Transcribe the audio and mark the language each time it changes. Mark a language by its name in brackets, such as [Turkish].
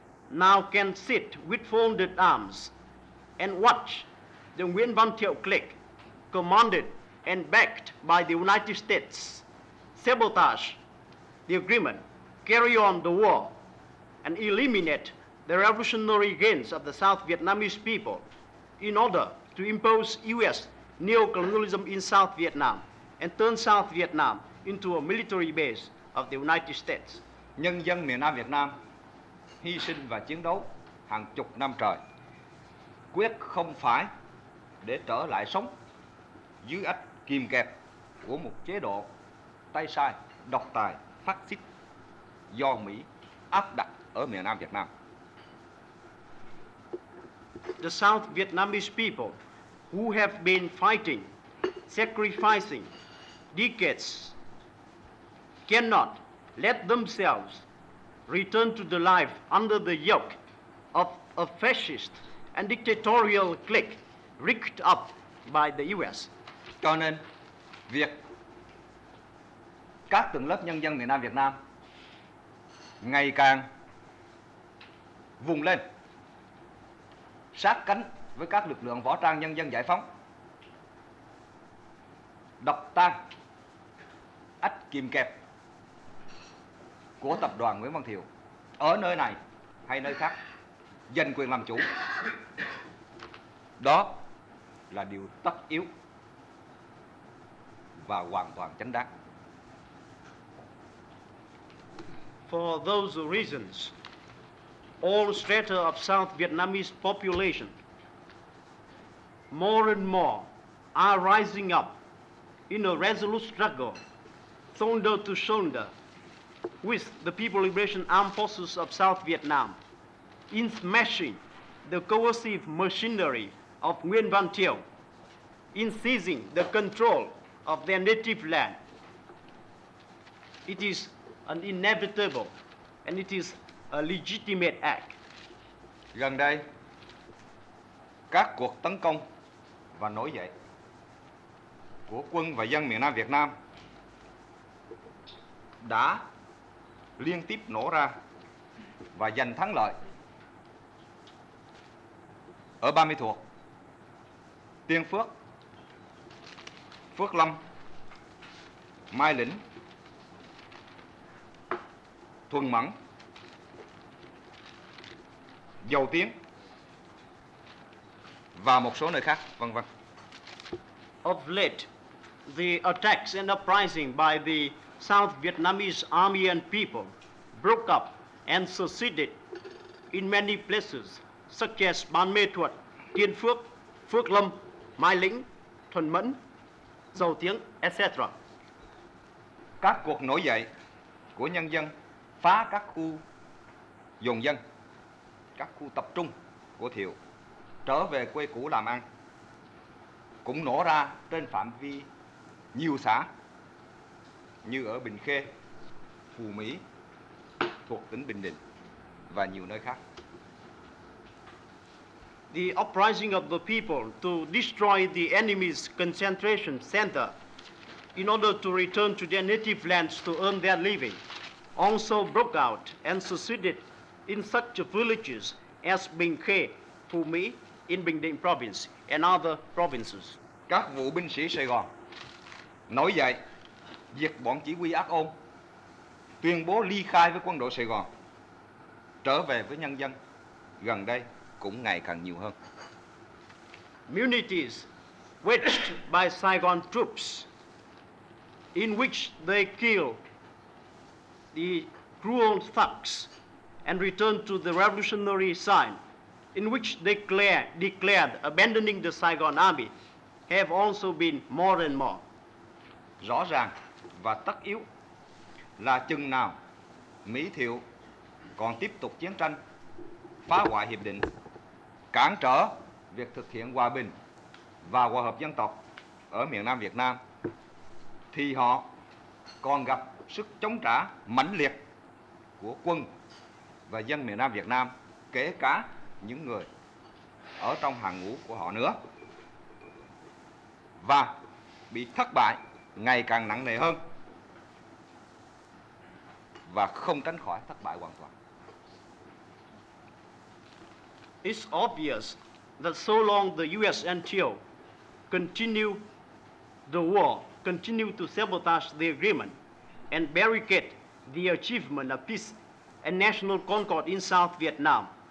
[English] now can sit with folded arms and watch the Nguyễn Văn Thiệu clique, commanded and backed by the United States, sabotage the agreement, carry on the war, and eliminate the revolutionary gains of the South Vietnamese people in order to impose U.S. neocolonialism in South Vietnam and turn South Vietnam into a military base of the United States. [Vietnamese] Nhân dân miền Nam Việt Nam hy sinh và chiến đấu hàng chục năm trời, quyết không phải để trở lại sống dưới ách kìm kẹp của một chế độ tay sai, độc tài, phát xít do Mỹ áp đặt ở miền Nam Việt Nam. [English] The South Vietnamese people who have been fighting, sacrificing decades, cannot let themselves return to the life under the yoke of a fascist and dictatorial clique rigged up by the U.S. [Vietnamese] Cho nên, việc các tầng lớp nhân dân miền Nam Việt Nam ngày càng vùng lên, sát cánh với các lực lượng võ trang nhân dân giải phóng, đập tan ách kìm kẹp của tập đoàn Nguyễn Văn Thiệu ở nơi này hay nơi khác, giành quyền làm chủ, đó là điều tất yếu và hoàn toàn chính đáng. [English] For those reasons, all strata of South Vietnamese population more and more are rising up in a resolute struggle, shoulder to shoulder, with the People Liberation Armed Forces of South Vietnam in smashing the coercive machinery of Nguyễn Văn Thiệu, in seizing the control of their native land. It is an inevitable and it is a legitimate act. [Vietnamese] Gần đây, các cuộc tấn công và nổi dậy của quân và dân miền Nam Việt Nam đã liên tiếp nổ ra và giành thắng lợi ở Ba Mươi Thuộc, Tiên Phước, Phước Lâm, Mai Lĩnh, Thuần Mẫn, Dầu Tiến và một số nơi khác, vân vân. [English] Of late, the attacks and uprising by the South Vietnamese army and people broke up and succeeded in many places such as Ban Mê Thuột, Tiên Phước, Phước Lâm, Mai Lĩnh, Thuần Mẫn, Dầu Tiếng, etc. [Vietnamese] Các cuộc nổi dậy của nhân dân phá các khu dồn dân, các khu tập trung của Thiệu trở về quê cũ làm ăn cũng nổ ra trên phạm vi nhiều xã như ở Bình Khê, Phù Mỹ thuộc tỉnh Bình Định và nhiều nơi khác. [English] The uprising of the people to destroy the enemy's concentration center in order to return to their native lands to earn their living also broke out and succeeded in such villages as Bình Khê, Phù Mỹ in Bình Định province and other provinces. [Vietnamese] Các vụ binh sĩ Sài Gòn nổi dậy diệt bọn chỉ huy ác ôn, tuyên bố ly khai với quân đội Sài Gòn, trở về với nhân dân gần đây cũng ngày càng nhiều hơn. [English] Munities waged by Saigon troops in which they killed the cruel thugs and returned to the revolutionary sign, in which they declared abandoning the Saigon army, have also been more and more. [Vietnamese] Rõ ràng và tất yếu là chừng nào Mỹ Thiệu còn tiếp tục chiến tranh, phá hoại hiệp định, cản trở việc thực hiện hòa bình và hòa hợp dân tộc ở miền Nam Việt Nam, thì họ còn gặp sức chống trả mãnh liệt của quân và dân miền Nam Việt Nam, kể cả những người ở trong hàng ngũ của họ nữa, và bị thất bại ngày càng nặng nề hơn và không tránh khỏi thất bại hoàn toàn. [English] It's obvious that so long the US and NATO continue the war, continue to sabotage the agreement and barricade the achievement of peace and national concord in South Vietnam,